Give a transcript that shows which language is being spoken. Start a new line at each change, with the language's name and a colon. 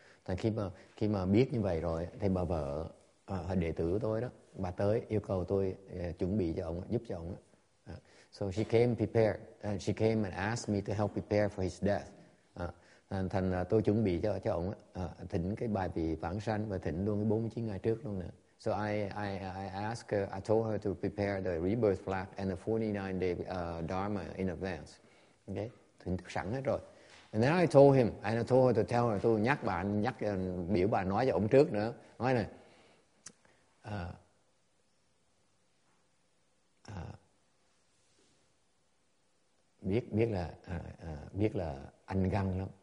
Vietnamese: Thì khi mà biết như vậy rồi, thì bà vợ đệ tử tôi đó, bà tới yêu cầu tôi chuẩn bị cho ông, giúp cho ông.
English: So she came prepared, and she came and asked me to help prepare for his death.
Vietnamese: Thành là tôi chuẩn bị cho ông thỉnh cái bài vị vãng sanh và thỉnh luôn cái 49 ngày trước luôn nữa.
English: So I asked her, I told her to prepare the rebirth flag and the 49 day dharma in advance.
Vietnamese: Okay, thỉnh sẵn hết rồi.
English: And then I told him, and I told her to tell her,
Vietnamese: tôi nhắc bà, nhắc biểu bà nói cho ông trước nữa. Nói này, biết là anh găng lắm.